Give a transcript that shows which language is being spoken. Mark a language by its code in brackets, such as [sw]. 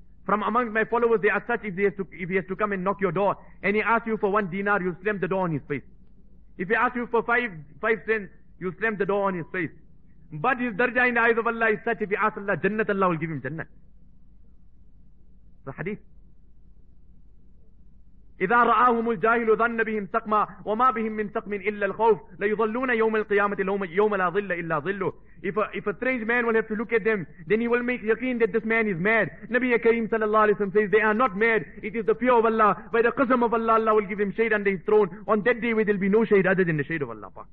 [en] From among my followers, they are such, if he has to come and knock your door, and he asks you for one dinar, you slam the door on his face. If he asks you for five cents, you slam the door on his face. But his darja in the eyes of Allah is such, if he asks Allah, Jannat, Allah will give him Jannat. The hadith. [ar] إذا رآهم الجاهل ظن بهم سقما وما بهم من سقم إلا الخوف ليظلون يوم القيامة يوم لا ظل إلا ظله. [en] If a strange man will have to look at them, then he will make yakin that this man is mad. Nabiya Kareem sallallahu alayhi wa sallam says, they are not mad. It is the fear of Allah. By the qasam of Allah, Allah will give him shade under his throne. On that day, where there will be no shade other than the shade of Allah.